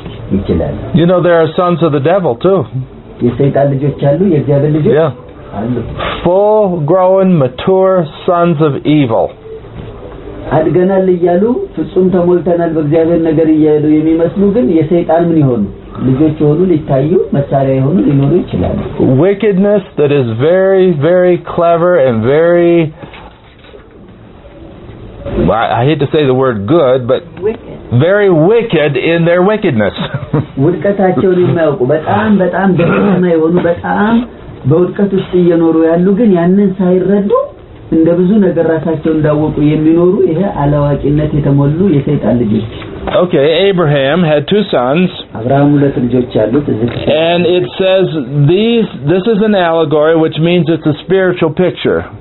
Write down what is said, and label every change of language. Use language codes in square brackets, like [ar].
[en] You know there are sons of the devil too. Yeah. Full grown mature sons of evil. [am] አድገናል ይያሉ ፍጹም ተሞልተናል በእግዚአብሔር ነገር ይያሉ የሚመስሉ ግን የሰይጣን ምን ይሆኑ ልጆች ሆኑ ሊታዩ መሳሪያ ይሆኑ ሊኖሩ ይችላሉ [en] wickedness that is very very clever and very well, I hate to say the word good but wicked. Very wicked in their wickedness [am] ውድቀታቸውን የማያውቁ በጣም ደካማ የሆኑ በጣም በውድቀት ውስጥ እየኖሩ ያሉ ግን ያንን ሳይረዱ እንደ ብዙ ነገር ራሳቸው እንዳወቁ የሚኖሩ ይሄ አላዋቂነት የተሞሉ የሰይጣን ልጆች [en] Okay, Abraham had two sons. [am] አብርሃም ሁለት ልጆች አሉት እዚህ [en] And it says this is an allegory which means it's a spiritual picture.